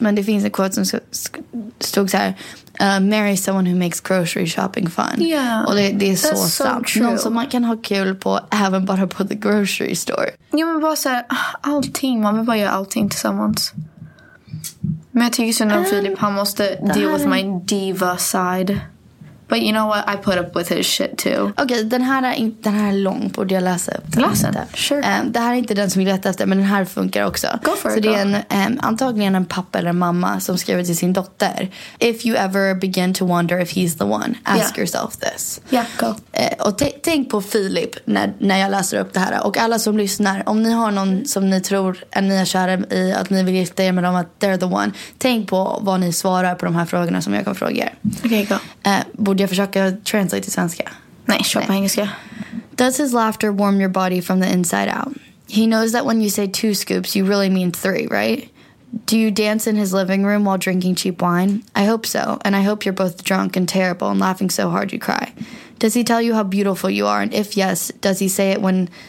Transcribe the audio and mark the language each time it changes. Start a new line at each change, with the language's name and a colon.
Swedish: Men det finns en quote som stod så här:
English: marry someone who makes grocery shopping fun. Yeah.
Swedish: Och det är så
English: that's
Swedish: sant.
English: So
Swedish: någon som man kan ha kul på, även bara på
English: the grocery store.
Swedish: Ja, men bara såhär, allting. Man vill bara göra allting tillsammans. Men jag tycker synd om Filip. Han måste
English: deal with my diva side. But you know what? I put up with his shit too.
Swedish: Okay, den här är lång. Borde jag läsa upp den? Läsa den, sure. Det här är inte den som jag letar efter, men den här funkar också.
English: Go for
Swedish: så
English: it.
Swedish: Så det är antagligen en pappa eller en mamma som skriver till sin dotter:
English: if you ever begin to wonder if he's the one, ask yourself this. Yeah, go.
Swedish: Och tänk på Filip när jag läser upp det här. Och alla som lyssnar, om ni har någon som ni tror att ni är kär i, att ni vill gifta er med dem, att
English: they're the one,
Swedish: tänk på vad ni svarar på de här frågorna som jag kan fråga er. Okej, go. Borde jag försöka translate till svenska? Nej, kör på engelska.
English: Does his laughter warm your body from the inside out? He knows that when you say two scoops, you really mean three, right? Do you dance in his living room while drinking cheap wine? I hope so, and I hope you're both drunk and terrible and laughing so hard you cry. Does he tell you how beautiful you are? And if yes, does he say it when